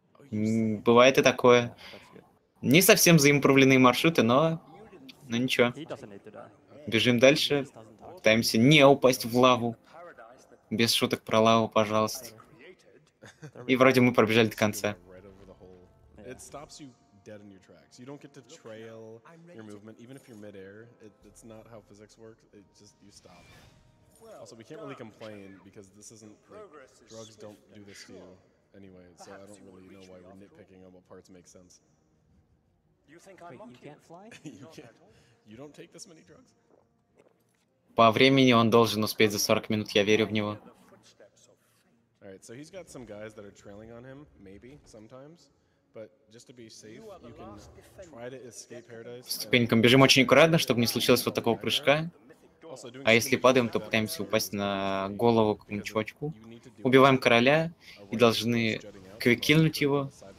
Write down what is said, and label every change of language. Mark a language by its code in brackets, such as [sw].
[ru] Бывает и такое. Не совсем заимпровленные маршруты, но ничего. Бежим дальше. Пытаемся не упасть в лаву. Без шуток про лаву, пожалуйста. И вроде мы пробежали до конца. [en] It stops you dead in your tracks. You don't get to trail your movement, even if you're mid-air. It's not how physics works. It just, you stop. Also, we can't really complain, because this isn't, like, drugs don't do this to you anyway, so I don't really know why we're nitpicking on what parts make sense. You think I'm monkey? You can't fly? You don't take this many drugs? [ru] По времени он должен успеть за 40 минут, я верю в него. [en] Alright, so he's got some guys that are trailing on him, maybe, sometimes. But just to be safe, you can try to escape paradise. [ru] Ступенькам бежим очень аккуратно, чтобы не случилось вот такого прыжка. А если падаем, то пытаемся упасть на голову какому-нибудь чувачку. Убиваем короля и должны квик-кильнуть его.